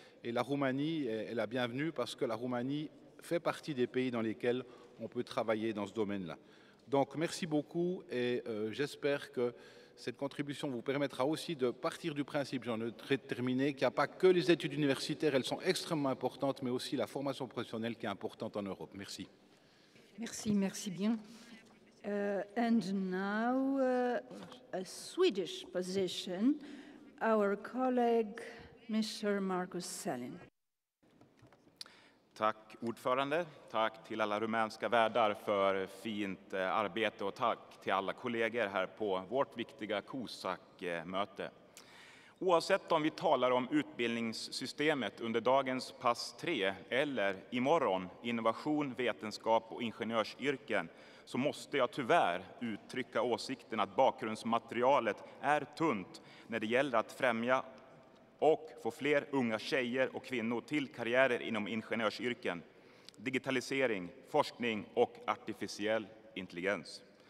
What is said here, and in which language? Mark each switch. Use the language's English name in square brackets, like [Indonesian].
[French] Et la Roumanie est la bienvenue parce que la Roumanie fait partie des pays dans lesquels on peut travailler dans ce domaine-là. Donc merci beaucoup et j'espère que cette contribution vous permettra aussi de partir du principe, j'en ai très terminé, qu'il n'y a pas que les études universitaires, elles sont extrêmement importantes, mais aussi la formation professionnelle qui est importante en Europe. Merci. Merci, merci bien. [English] And now, a Swedish position, our colleague, Mr. Marcus Sellin. [Swedish] Tack ordförande, tack till alla rumänska värdar för fint arbete och tack till alla kollegor här på vårt viktiga COSAC-möte. Oavsett om vi talar om utbildningssystemet under dagens pass 3 eller imorgon innovation, vetenskap och ingenjörsyrken så måste jag tyvärr uttrycka åsikten att bakgrundsmaterialet är tunt när det gäller att främja och få fler unga tjejer och kvinnor till karriärer inom ingenjörsyrken, digitalisering, forskning och artificiell intelligens.